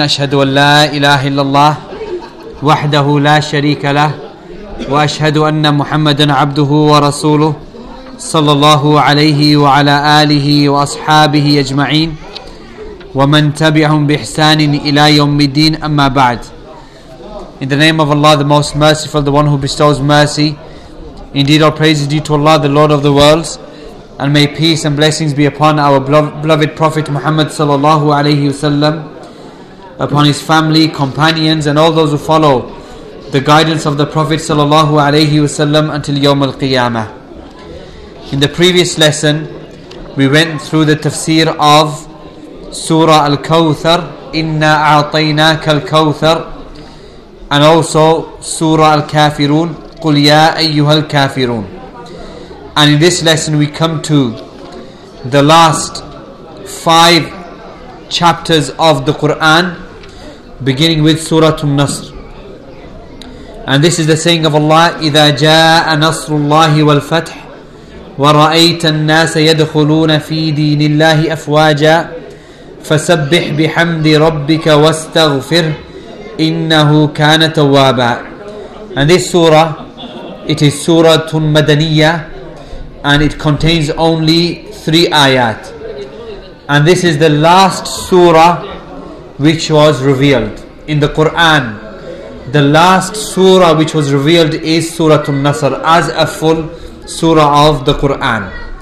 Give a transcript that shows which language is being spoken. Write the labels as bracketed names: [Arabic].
[Arabic] أشهد أن لا إله إلا الله وحده لا شريك له وأشهد أن محمدا عبده ورسوله صلى الله عليه وعلى آله وأصحابه أجمعين ومن تبعهم بإحسان إلى يوم الدين. أما بعد, [English] in the name of Allah, the Most Merciful, the One who bestows mercy, indeed all praise is due to Allah, the Lord of the worlds, and may peace and blessings be upon our beloved Prophet Muhammad sallallahu alayhi wasallam, upon his family, companions, and all those who follow the guidance of the Prophet sallallahu alayhi wasallam until Yawm al-Qiyamah. In the previous lesson, we went through the tafsir of Surah Al-Kawthar, Inna A'tainaka Al-Kawthar, and also Surah Al-Kafirun, [Arabic] قُلْ يَا أَيُّهَا الْكَافِرُونَ. [English] And in this lesson we come to the last five chapters of the Qur'an, beginning with Surah An-Nasr. And this is the saying of Allah, [Arabic] إِذَا جَاءَ نَصْرُ اللَّهِ وَالْفَتْحِ وَرَأَيْتَ النَّاسَ يَدْخُلُونَ فِي دِينِ اللَّهِ أَفْوَاجًا فَسَبِّحْ بِحَمْدِ رَبِّكَ وَاسْتَغْفِرْ إِنَّهُ كَانَ تَوَّابًا. [English] And this surah, it is Suratun Madaniyah, and it contains only three ayat. And this is the last surah which was revealed in the Quran. The last surah which was revealed is Suratun Nasr, as a full surah of the Quran.